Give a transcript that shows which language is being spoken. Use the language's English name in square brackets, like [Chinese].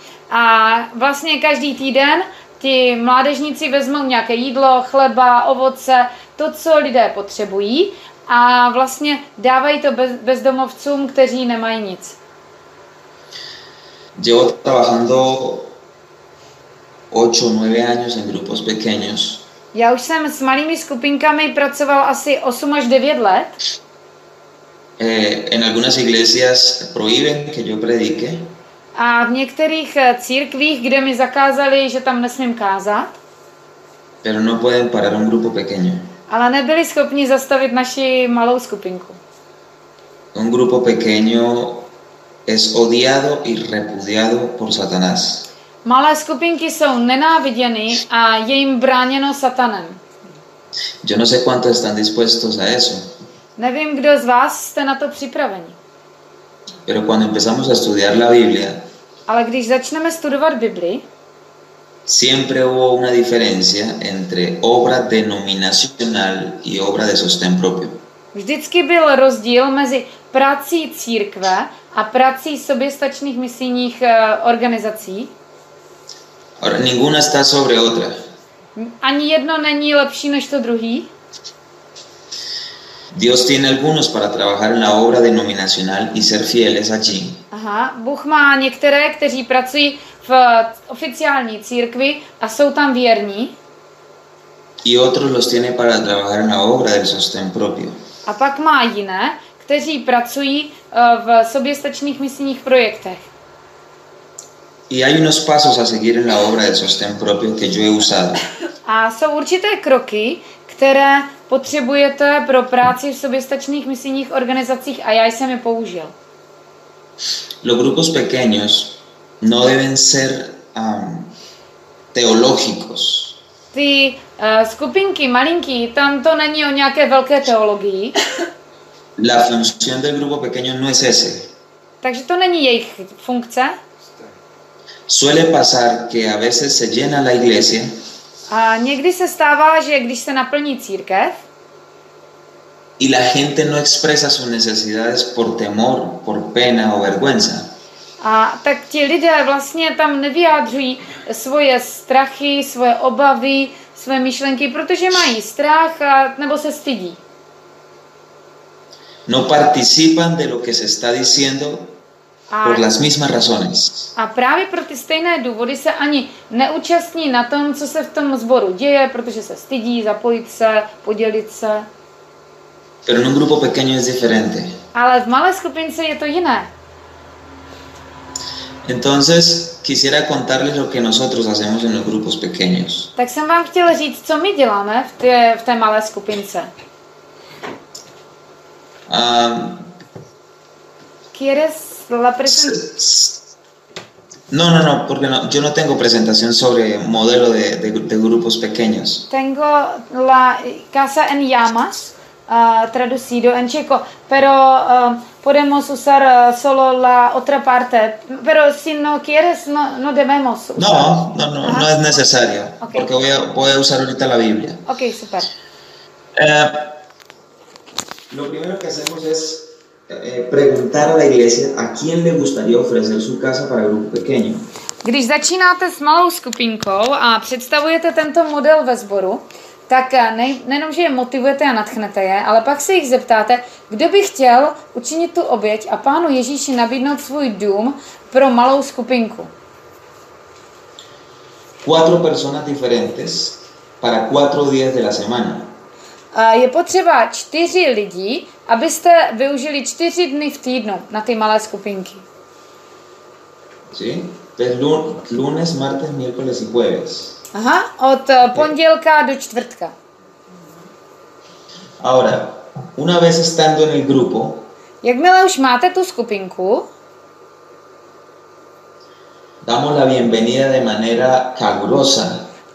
[Czech] A vlastně každý týden ty mládežníci vezmou nějaké jídlo, chleba, ovoce, to, co lidé potřebují, a vlastně dávají to bezdomovcům, kteří nemají nic. [Spanish] Llevo trabajando 8-9 años en grupos pequeños. [Czech] Já už jsem s malými skupinkami pracoval asi 8 až 9 let. [Spanish] En algunas iglesias prohíben que yo predique. [Czech] A v některých církvích, kde mi zakázali, že tam nesmím kázat. [Spanish] Pero no pueden parar un grupo pequeño. [Czech] Ale nebyli schopni zastavit naši malou skupinku. [Spanish] Un grupo pequeño es odiado y repudiado por Satanás. [Czech] Malé skupinky jsou nenáviděny a je jim bráněno Satanem. [Spanish] Yo no sé cuántos están dispuestos a eso. [Czech] Nevím, kdo z vás jste na to připraveni. [Spanish] Pero cuando empezamos a estudiar la Biblia. [Czech] Ale když začneme studovat Bibli, [Spanish] siempre hubo una diferencia entre obra denominacional y obra de sostén propio. [Czech] Vždycky byl rozdíl mezi prací církve a prací soběstačných misijních organizací. [Spanish] Ahora, ninguna está sobre otra. [Czech] Ani jedno není lepší než to druhý. [Spanish] Dios tiene algunos para trabajar en la obra denominacional y ser fieles allí. [Czech] Bůh má některé, kteří pracují v oficiální církvi a jsou tam věrní. [Spanish] Y otros los tiene para trabajar en la obra del sostén propio. [Czech] A pak má jiné, kteří pracují v soběstačných misijních projektech. [Spanish] Y hay unos pasos a seguir en la obra del sostén propio que yo he usado. [Czech] A jsou určité kroky, které potřebujete pro práci v soběstačných misijních organizacích a já jsem je použil. [Spanish] Los grupos pequeños no deben ser teológicos. [Czech] Ty skupinky malinký, tam to není o nějaké velké teologii. [Spanish] La función del grupo pequeño no es ese. [Czech] Takže to není jejich funkce. [Spanish] Suele pasar que a veces se llena la iglesia. [Czech] A někdy se stává, že když se naplní církev. [Spanish] Y la gente no expresa sus necesidades por temor, por pena o vergüenza. [Czech] A tak ti lidé vlastně tam nevyjádřují svoje strachy, svoje obavy, své myšlenky, protože mají strach a, nebo se stydí. [Spanish] No participan de lo que se está diciendo por las mismas razones. [Czech] A právě pro ty stejné důvody se ani neúčastní na tom, co se v tom sboru děje, protože se stydí zapojit se, podělit se. [Spanish] Pero en un grupo pequeño es diferente. [Czech] Ale v malé skupince je to jiné. [Spanish] Entonces quisiera contarles lo que nosotros hacemos en los grupos pequeños. [Czech] Tak jsem vám chtěl říct, co my děláme v té malé skupince. [Spanish] ¿Quieres la presentación? No, porque no, yo no tengo presentación sobre modelo de grupos pequeños. Tengo la casa en llamas, traducido en checo, pero podemos usar solo la otra parte, pero si no quieres, no debemos usar. No es necesario, okay. Porque voy a usar ahorita la Biblia. Ok, super. Lo primero que hacemos es preguntar a la iglesia a quién le gustaría ofrecer su casa para el grupo pequeño. [Czech] Když začínáte s malou skupinkou a představujete tento model ve sboru, tak nejenom, že je motivujete a nadchnete je, ale pak se jich zeptáte, kdo by chtěl učinit tu oběť a Pánu Ježíši nabídnout svůj dům pro malou skupinku. [Spanish] Cuatro personas diferentes para cuatro días de la semana. [Czech] A je potřeba 4 lidi, abyste využili 4 dny v týdnu na ty malé skupinky. [Spanish] Sí, pues lunes, martes, miércoles y jueves. [Czech] Aha, od pondělka do čtvrtka. [Spanish] Ahora, una vez estando en el grupo. [Czech] Jakmile už máte tu skupinku. [Spanish] Damos la bienvenida de manera calurosa.